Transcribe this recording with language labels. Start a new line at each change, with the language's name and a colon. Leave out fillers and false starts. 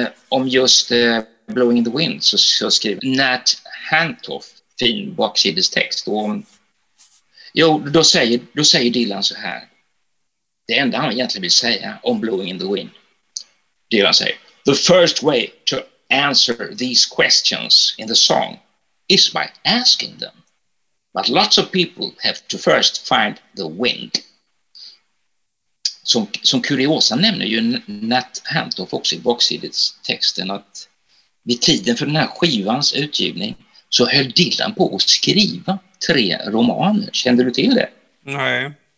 Swedish: Om just Blowing in the Wind så skriver Nat Hantoff fin baksidestext, och då säger Dylan så här. Det enda han egentligen vill säga om Blowing in the Wind, Dylan säger:
English: "The first way to answer these questions in the song is by asking them, but lots of people have to first find the wind."
Swedish: Som kuriosa nämner ju Nat Hantoff också i baksidestexten att vid tiden för den här skivans utgivning så höll Dylan på att skriva tre romaner. Kände du till det? Nej.